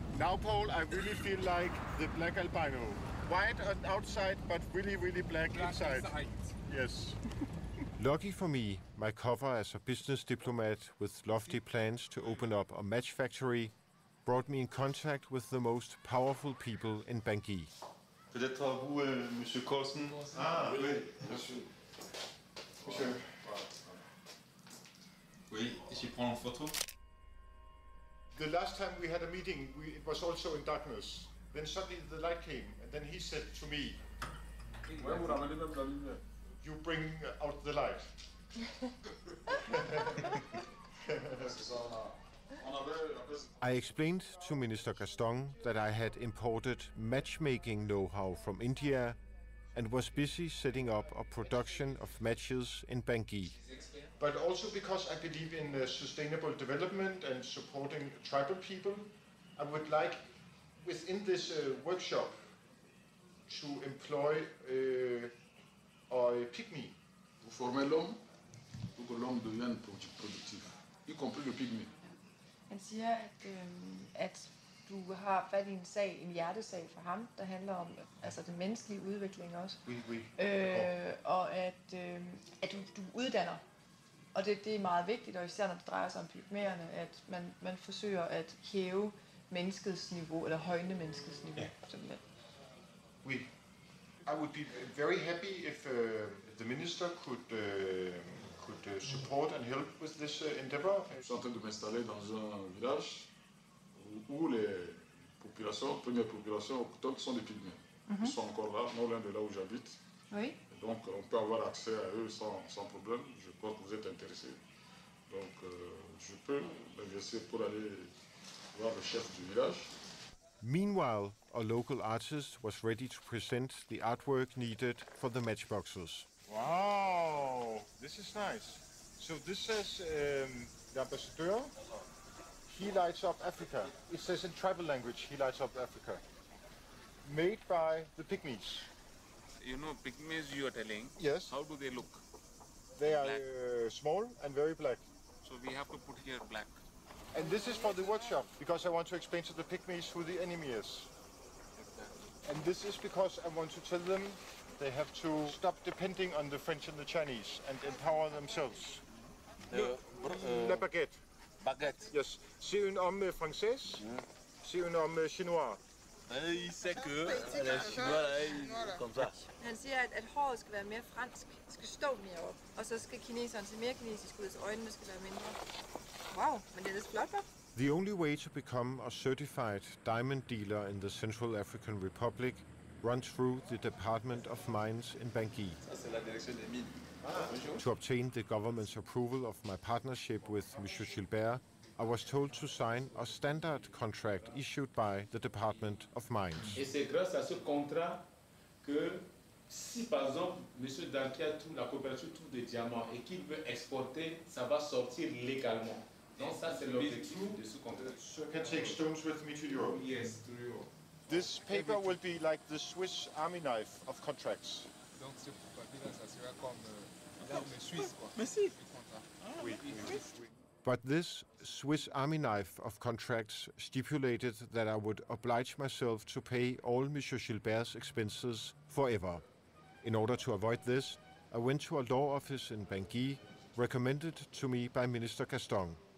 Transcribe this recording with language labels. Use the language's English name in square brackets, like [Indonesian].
[English] Now, Paul, I really feel like the black albino. White on outside, but really, really black inside. Yes. Lucky for me, my cover as a business diplomat with lofty plans to open up a match factory brought me in contact with the most powerful people in Bangui. [French] Peut-être vous, Monsieur Corson. Ah, oui. Monsieur. Monsieur. Oui, je prends une photo. [English] The last time we had a meeting, it was also in darkness. Then suddenly the light came, and then he said to me, you bring out the light. I explained to Minister Gaston that I had imported matchmaking know-how from India and was busy setting up a production of matches in Bangui. But also because I believe in sustainable development and supporting tribal people, I would like, within this workshop, to employ a pygmy. To form [French] l'homme, pour que l'homme devienne productif, y compris le pygmy. [Danish] Han siger, at du har fat i en sag, en hjertesag for ham, der handler om altså den menneskelige udvikling også. [French] Oui, oui. [Danish] Og at du uddanner. Og det er meget vigtigt, og især når det drejer sig om pygmæerne, at man forsøger at hæve menneskets niveau, eller højne menneskets niveau, simpelthen. [French] Oui. [English] I would be very happy if the minister could support and help with this endeavor. [Danish] Jeg er [French] en train de m'installer dans un village où les populations, première population autochtone, sont des pygmæer. Ils sont encore là, non loin de là où j'habite. Oui. Donc on peut avoir accès à eux sans problème. Je pense que vous êtes intéressé. Donc je peux m'investir pour aller voir le chef du village. [English] Meanwhile, a local artist was ready to present the artwork needed for the matchboxes. Wow, this is nice. So this says l'ambassadeur, he lights up Africa. It says in tribal language, he lights up Africa. Made by the pygmies. You know, pygmies you are telling. Yes. How do they look? They are small and very black. So we have to put here black. And this is for the workshop, because I want to explain to the pygmies who the enemy is. And this is because I want to tell them they have to stop depending on the French and the Chinese and empower themselves. [French] La baguette. Baguette. Yes. C'est un homme français. Mm. C'est un homme chinois. Il sait que la chinoise, comme ça. [Danish] Han siger, at håret skal være mere fransk, skal stå mere op, og så skal kineserne se mere kinesisk ud, så øjnene skal være mindre. Wow, men det er flot på. [English] The only way to become a certified diamond dealer in the Central African Republic runs through the Department of Mines in Bangui. To obtain the government's approval of my partnership with Monsieur Gilbert, I was told to sign a standard contract issued by the Department of Mines. [French] Et c'est grâce à ce contrat que Si par exemple, M. Dantia trouve la coopérative trouve des diamants et qu'il veut exporter, ça va sortir légalement. Donc ça c'est l'objectif de ce contrat. [English] So I can take stones with me to Europe. Yes, to Europe. This paper will be like the Swiss army knife of contracts. [French] Donc ce papier ça sera comme l'arme suisse quoi. Merci. Oui. [English] But this Swiss army knife of contracts stipulated that I would oblige myself to pay all Monsieur Gilbert's expenses forever. In order to avoid this, I went to a law office in Bangui, recommended to me by Minister Gaston.